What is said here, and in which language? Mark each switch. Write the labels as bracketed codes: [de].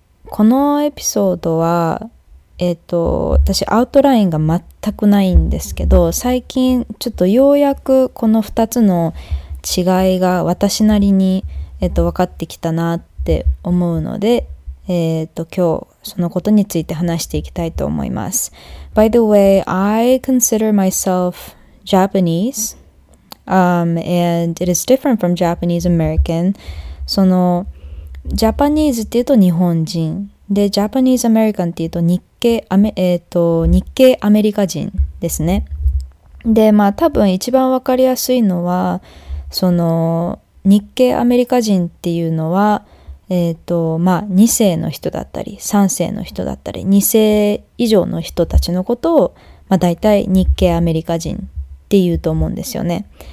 [ja] このエピソードは私アウトラインが全くないんですけど、最近ちょっとようやくこの2つの違いが私なりに分かってきたなって思うので、今日そのことについて話していきたいと思います。 [en] By the way, I consider myself Japanese, and it is different from Japanese American. [ja] そのジャパニーズっていうと日本人で、ジャパニーズアメリカンっていうと日系アメリカ人ですね。で、まあ多分一番わかりやすいのは、その日系アメリカ人っていうのは、まあ2世の人だったり3世の人だったり、2世以上の人たちのことを、まあ大体日系アメリカ人っていうと思うんですよね。